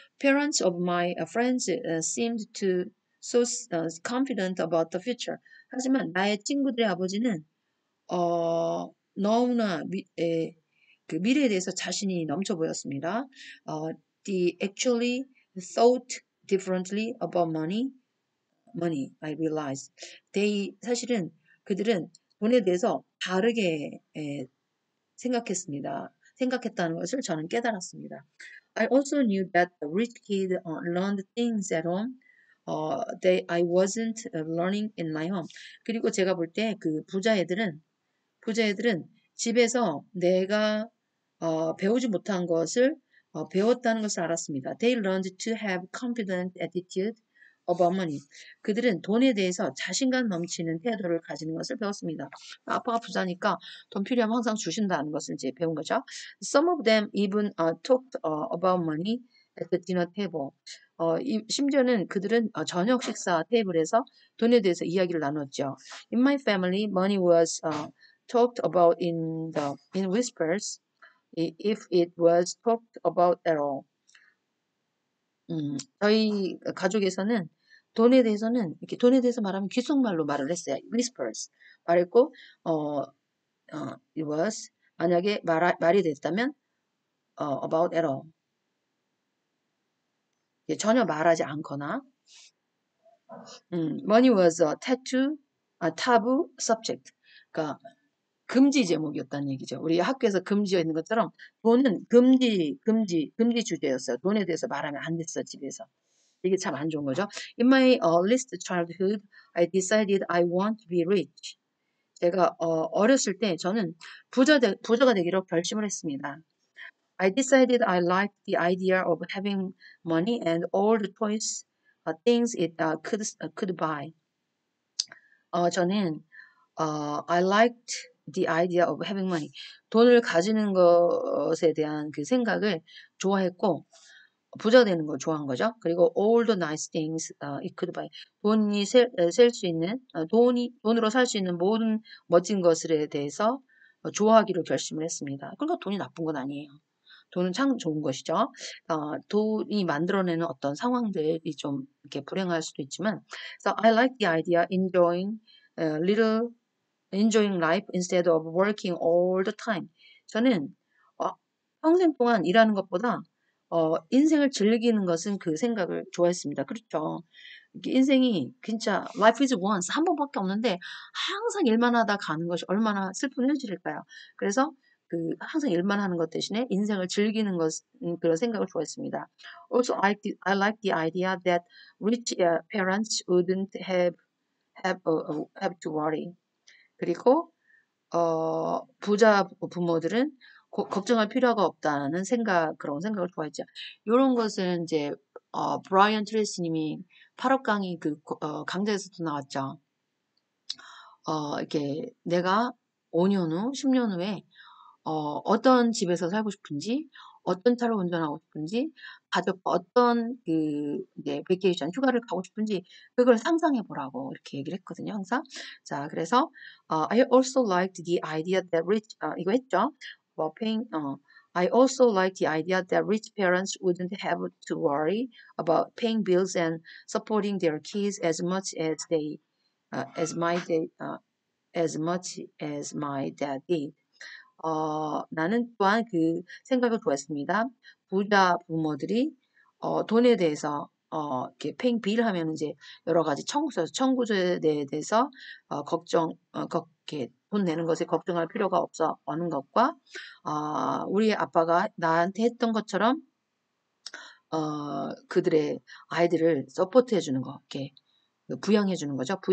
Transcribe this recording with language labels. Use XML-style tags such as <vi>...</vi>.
<en>Parents of my friends seemed to so confident about the future.</en> <ko>하지만 나의 친구들의 아버지는 너무나 그 미래에 대해서 자신이 넘쳐 보였습니다.</ko> <en>They actually thought differently about money, I realized.</en> <ko>사실은 그들은 돈에 대해서 다르게 생각했다는 것을 저는 깨달았습니다.</ko> <en>I also knew that the rich kid learned things at home that I wasn't learning in my home.</en> <ko>그리고 제가 볼때그 부자 애들은 집에서 내가 배우지 못한 것을 배웠다는 것을 알았습니다.</ko> <en>They learned to have confident attitude about money.</en> <ko>그들은 돈에 대해서 자신감 넘치는 태도를 가지는 것을 배웠습니다. 아빠가 부자니까 돈 필요하면 항상 주신다는 것을 이제 배운 거죠.</ko> <en>Some of them even talked about money at the dinner table.</en> <ko>심지어는 그들은 저녁 식사 테이블에서 돈에 대해서 이야기를 나눴죠.</ko> <en>In my family, money was talked about in whispers. If it was talked about at all.</en> <ko>저희 가족에서는 돈에 대해서 말하면 귓속말로 말을 했어요.</ko> <en>Whispers.</en> <ko>말했고,</ko> <en>it was,</en> <ko>만약에 말이 됐다면,</ko> <en>about at all.</en> <ko>전혀 말하지 않거나.</ko> <en>Money was a taboo subject.</en> <ko>그러니까 금지 제목이었다는 얘기죠. 우리 학교에서 금지어 있는 것처럼 돈은 금지 주제였어요. 돈에 대해서 말하면 안 됐어, 집에서. 이게 참안 좋은 거죠.</ko> <en>In my earliest childhood, I decided I want to be rich.</en> <ko>제가 어렸을 때 저는 부자가 되기로 결심을 했습니다.</ko> <en>I decided I liked the idea of having money and all the toys, things it could buy.</en> <ko>저는</ko> <en>I liked the idea of having money.</en> <ko>돈을 가지는 것에 대한 그 생각을 좋아했고, 부자 되는 걸 좋아한 거죠. 그리고</ko> <en>all the nice things it could buy.</en> <ko>돈이 셀수 있는 돈이 돈으로 살수 있는 모든 멋진 것들에 대해서 좋아하기로 결심을 했습니다. 그러니까 돈이 나쁜 건 아니에요. 돈은 참 좋은 것이죠. 돈이 만들어내는 어떤 상황들이 좀 이렇게 불행할 수도 있지만,</ko> <en>so I like the idea enjoying life instead of working all the time.</en> <ko>저는 평생 동안 일하는 것보다 인생을 즐기는 것은 그 생각을 좋아했습니다. 그렇죠. 인생이 진짜</ko> <en>life is once</en> <ko>한 번밖에 없는데 항상 일만 하다 가는 것이 얼마나 슬픈 현실일까요? 그래서 그 항상 일만 하는 것 대신에 인생을 즐기는 것은 그런 생각을 좋아했습니다.</ko> <en>Also, I like the idea that rich parents wouldn't have to worry.</en> <ko>그리고 부자 부모들은 걱정할 필요가 없다는 생각, 그런 생각을 좋아했죠. 이런 것은 이제 브라이언 트레이시님이 8억 강의 강좌에서도 나왔죠. 이렇게 내가 5년 후, 10년 후에 어떤 집에서 살고 싶은지, 어떤 차를 운전하고 싶은지, 가족 어떤 베케이션 휴가를 가고 싶은지 그걸 상상해 보라고 이렇게 얘기를 했거든요, 항상. 자, 그래서</ko> <en>I also liked the idea that rich</en> <ko>이거 했죠.</ko> <en>I also like the idea that rich parents wouldn't have to worry about paying bills and supporting their kids as much as they as my day as much as my dad did.</en> <ko>나는 또한 그 생각을 좋아했습니다. 부자 부모들이 돈에 대해서 이렇게</ko> <en>paying bill</en> <ko>하면 이제 여러 가지 청구서에 대해서 이렇게 돈 내는 것에 걱정할 필요가 없어 어는 것과 우리 아빠가 나한테 했던 것처럼 그들의 아이들을 서포트해 주는 거, 이렇게 부양해 주는 거죠.</ko>